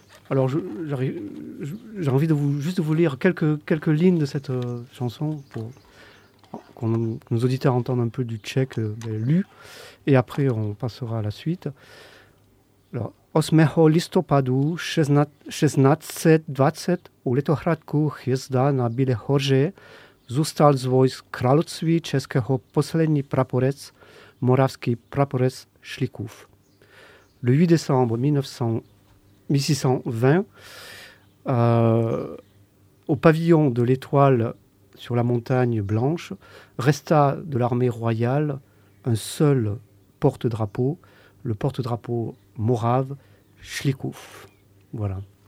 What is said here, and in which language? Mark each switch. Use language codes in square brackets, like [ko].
[fr] Alors, j'ai envie de vous, juste de vous lire quelques lignes de cette chanson pour que nos auditeurs entendent un peu du tchèque lu. Et après, on passera à la suite. [cs] Alors, Osmeho listopadu 1620 u Letohradku hvězda na Bílé hoře zůstal z vojsk království českého poslední praporec, moravský praporec Šlikův. [fr] Le 8 décembre 1620, au pavillon de l'Étoile sur la montagne blanche, resta de l'armée royale un seul porte-drapeau, le porte-drapeau morave Šlikův. Voilà.